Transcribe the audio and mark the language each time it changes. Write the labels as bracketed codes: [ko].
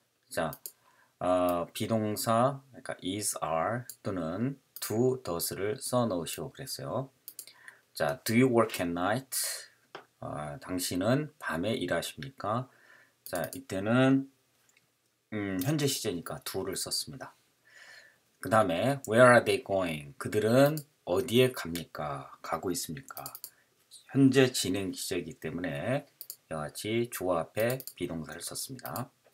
[ko] 자, 비동사 그러니까 is, are 또는 do, does를 써놓으시오 그랬어요. [en] 자, do you work at night? [ko] 당신은 밤에 일하십니까? 자, 이때는 현재 시제니까 do를 썼습니다. 그 다음에 [en] where are they going? [ko] 그들은 어디에 갑니까? 가고 있습니까? 현재 진행 시제이기 때문에 이와 같이 주어 앞에 비동사를 썼습니다.